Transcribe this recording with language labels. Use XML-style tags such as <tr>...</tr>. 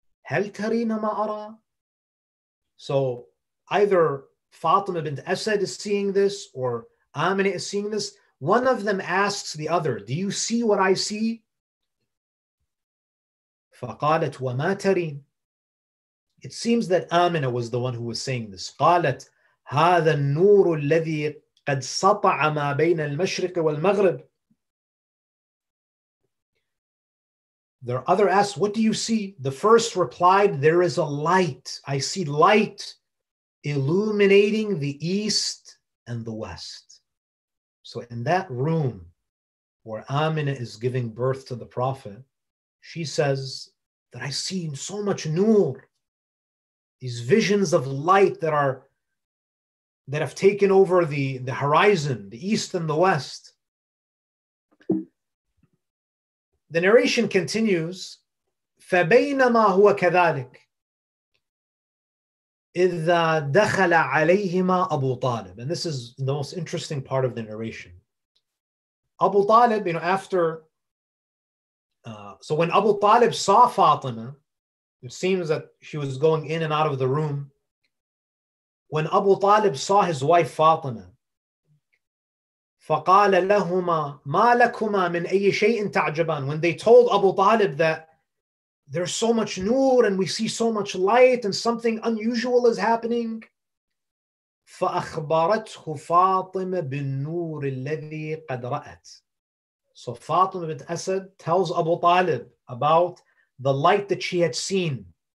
<ar>هَلْ تَرِينَ مَا أَرَى</ar> <en>So either Fatima bint Asad is seeing this or Amina is seeing this. One of them asks the other, do you see what I see?</en> <ar>فَقَالَتْ وَمَا تَرِينَ</ar> <en>It seems that Amina was the one who was saying this.</en> <ar>قَالَتْ هَذَا النُّورُ الَّذِي قَدْ سَطَعَ مَا بَيْنَ الْمَشْرِقِ وَالْمَغْرِبِ</ar> <en>Their other asked, what do you see? The first replied, there is a light. I see light illuminating the east and the west. So in that room where Aminah is giving birth to the Prophet, she says that I've seen so much nur, these visions of light that are that have taken over the horizon, the east and the west. The narration continues,</en> <ar>فَبَيْنَمَا هُوَ كَذَلِكَ إِذَا دَخَلَ عَلَيْهِمَا أَبُو طَالِبٍ.</ar> <en>And this is the most interesting part of the narration. Abu Talib, you know, after, so when Abu Talib saw Fatima, it seems that she was going in and out of the room. When Abu Talib saw his wife Fatima,</en> <ar>فَقَالَ لَهُمَا مَا لَكُمَا مِنْ أَيِّ شَيْءٍ تَعْجَبَانِ.</ar> <en>When they told Abu Talib that there's so much nur and we see so much light and something unusual is happening.</en> <ar>فَأَخْبَرَتْهُ فَاطِمَ بِالنُّورِ الَّذِي قَدْ رَأَتْ.</ar> <en>So Fatima bint Asad tells Abu Talib about the light that she had seen.</en>